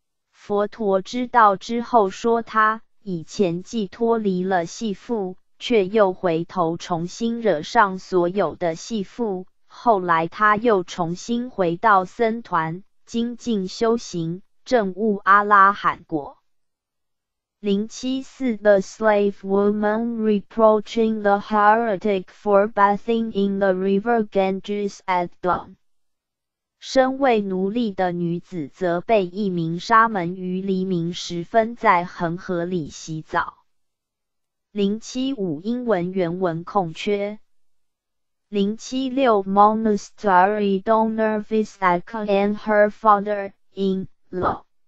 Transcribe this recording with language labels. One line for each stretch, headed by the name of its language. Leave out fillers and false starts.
Chinese: 佛陀知道之后说，他以前既脱离了系缚，却又回头重新惹上所有的系缚，后来他又重新回到僧团精进修行，证悟阿拉罕果。
English: 074 The slave woman reproaching the heretic for bathing in the river Ganges at dawn.
Chinese: 身为奴隶的女子则被一名沙门于黎明时分在恒河里洗澡。 075英文原文空缺。
English: 076 Monastery donor Visaka and her father-in-law.